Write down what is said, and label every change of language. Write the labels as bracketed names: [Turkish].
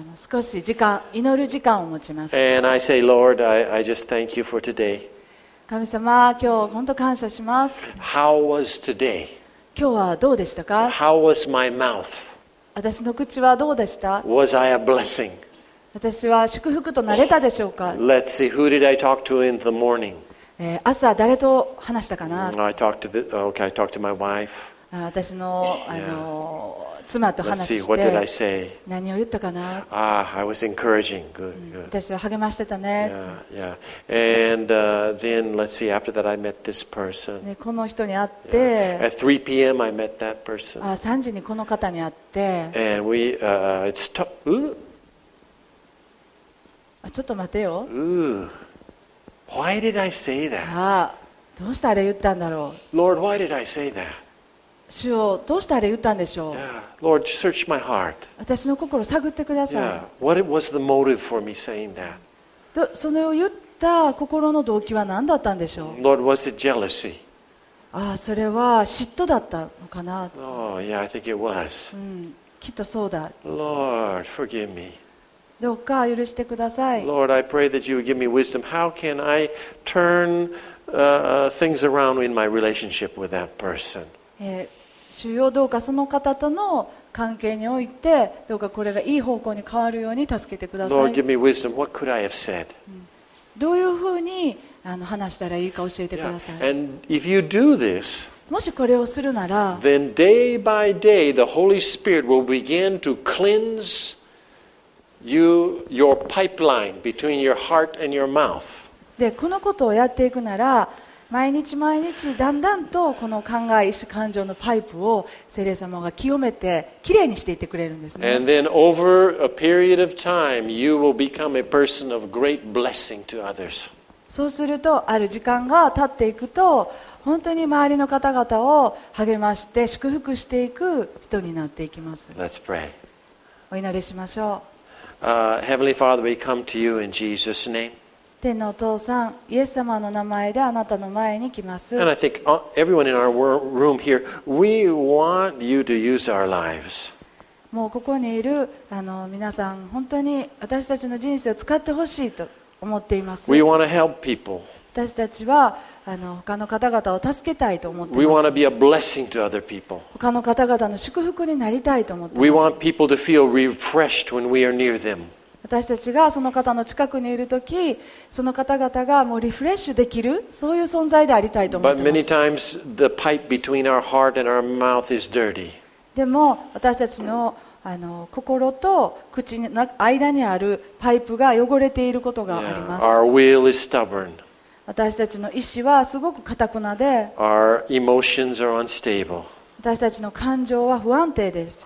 [Japanese] 少し時間、祈る時間を持ちます。 [English] And I say, Lord, I just thank you for today. [Japanese] 神様、今日本当感謝します。 [English] How was today? [Japanese] 今日はどうでしたか? [English] How was my mouth? [Japanese] 私の口はどうでした? [English] Was I a blessing? [Japanese] 私は祝福となれたでしょうか。 [English] Let's see, who did I talk to in the morning? [Japanese] 朝誰と話したかな。 [English] I talked to the, okay, I talked to my wife. [Japanese] 私の、妻と話して。 [English] Let's see, what did I say? [Japanese] 何を言ったかな。 [English] Ah, I was encouraging. Good, good. [Japanese] 私は励ましてたね。 [English] Yeah, yeah. And then let's see, after that, I met this person. [Japanese] この人に会って。 [English] At 3 p.m. I met that person. [Japanese] 3時にこの方に会って。 [English] And we, it's t o o o [Japanese] ちょっと待てよ。 [English] Ooh. Why did I say that? [Japanese] どうしてあれ言ったんだろう。 [English] Lord, why did I say that? [Japanese] 主よ、どうしてあれ言ったんでしょう。 [English] Yeah. Lord, search my heart. [Japanese] 私の心を探ってください。 [English] Yeah. What was the motive for me saying that? [Japanese] その言った心の動機は何だったんでしょう。 [English] Lord, was it jealousy? [Japanese] それは嫉妬だったのかな。 [English] Oh, yeah, I think it was. [Japanese] きっとそうだ。 [English] Lord, forgive me. [Japanese] どうか許してください。 [English] Lord, I pray that you would give me wisdom. How can I turn things around in my relationship with that person? [Japanese] 主よ、どうかその方との関係においてどうかこれがいい方向に変わるように助けてください。 [English] Lord, give me wisdom. What could I have said? [Japanese] どういうふうに話したらいいか教えてください。 [English] And if you do this, [Japanese] もしこれをするなら、 [English] then day by day the Holy Spirit will begin to cleanse. Your pipeline between your heart and your mouth. [Japanese] で、このことをやっていくなら、毎日毎日だんだんとこの考え、意思、感情のパイプを聖霊様が清めて、きれいにしていってくれるんですね。 [English] And then over a period of time, you will become a person of great blessing to others. [Japanese] そうすると、ある時間が経っていくと、本当に周りの方々を励まして、祝福していく人になっていきます。 [English] Let's pray. [Japanese] お祈りしましょう。 [English] Heavenly Father, we come to you in Jesus' name. [Japanese] 天のお父さん、イエス様の名前であなたの前に来ます。 [English] And I think everyone in our room here, we want you to use our lives. [Japanese] もうここにいる皆さん、本当に私たちの人生を使ってほしいと思っています。 [English] We want to help people. [Japanese] 私たちは他の方々を助けたいと思っています。 [English] We want to be a blessing to other people. [Japanese] 他の方々の祝福になりたいと思っています。 [English] We want people to feel refreshed when we are near them. [Japanese] 私たちがその方の近くにいるとき、その方々がもうリフレッシュできる、そういう存在でありたいと思っています。 [English] But many times the pipe between our heart and our mouth is dirty. [Japanese] でも私たちの心と口の間にあるパイプが汚れていることがあります。 [English] Yeah. Our will is stubborn. [Japanese] 私たちの意思はすごく固くなで、 [English] Our emotions are unstable. [Japanese] 私たちの感情は不安定です。